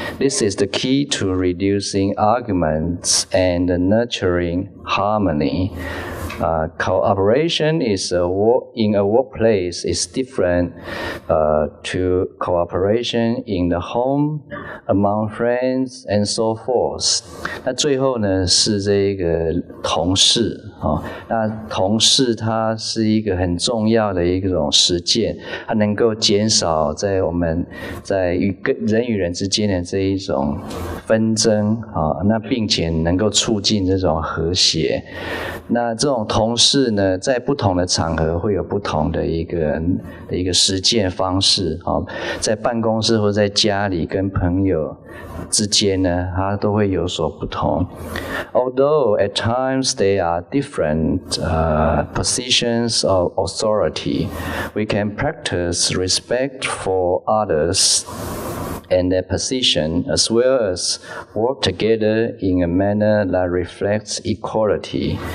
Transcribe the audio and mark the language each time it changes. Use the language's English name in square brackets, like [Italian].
[English] This is the key to reducing arguments and nurturing harmony. Cooperation is in a workplace is different to cooperation in the home, among friends, and so forth. [Chinese] 那最后呢是这个同事哦、那同事他是一个很重要的一种实践，他能够减少在我们在人与人之间的这一种纷争、哦、那并且能够促进这种和谐。那这种同事呢，在不同的场合会有不同的一个实践方式、哦、在办公室或在家里跟朋友之间呢，他都会有所不同。 [English] Although at times they are different positions of authority, we can practice respect for others and their position as well as work together in a manner that reflects equality.